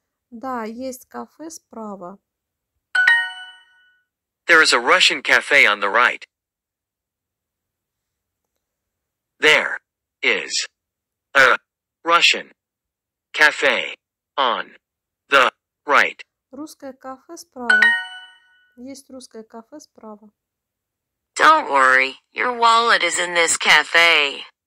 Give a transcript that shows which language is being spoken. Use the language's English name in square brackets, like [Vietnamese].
[Russian] Да, есть кафе справа. [English] There is a Russian cafe on the right. There is a Russian cafe on the right. [Russian] Русское кафе справа. Есть русское кафе справа. [English] Don't worry, your wallet is in this cafe.